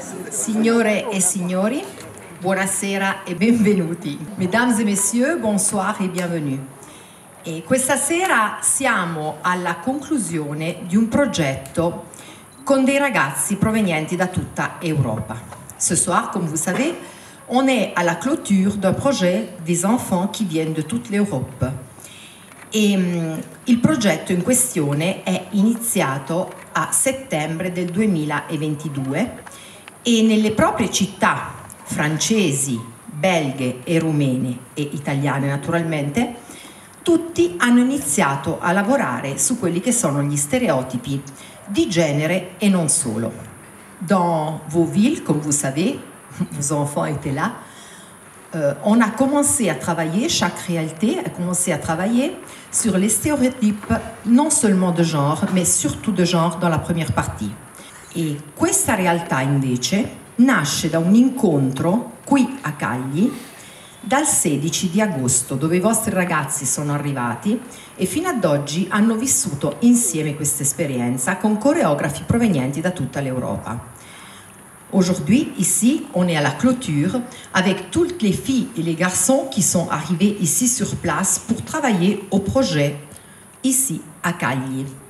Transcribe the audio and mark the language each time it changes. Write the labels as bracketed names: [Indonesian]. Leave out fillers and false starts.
[Italian] Signore e signori, buonasera e benvenuti. [French] Mesdames et messieurs, bonsoir et bienvenue. [Italian] E questa sera siamo alla conclusione di un progetto con dei ragazzi provenienti da tutta Europa. [French] Ce soir, comme vous savez, on est à la clôture d'un projet des enfants qui viennent de toute l'Europe. [Italian] E il progetto in questione è iniziato a settembre del 2022 e nelle proprie città francesi, belghe e rumene e italiane naturalmente, tutti hanno iniziato a lavorare su quelli che sono gli stereotipi di genere e non solo. [French] Dans vos villes, comme vous savez, vos enfants étaient là, on a commencé à travailler, chaque réalité a commencé à travailler sur les stéréotypes non seulement de genre, mais surtout de genre dans la première partie. [Italian] Et questa realtà invece nasce da un incontro qui a Cagli dal 16 di agosto, dove i vostri ragazzi sono arrivati e fino ad oggi hanno vissuto insieme questa esperienza con coreografi provenienti da tutta l'Europa. [French] Aujourd'hui, ici, on est à la clôture avec toutes les filles et les garçons qui sont arrivés ici sur place pour travailler au projet ici à Cagli.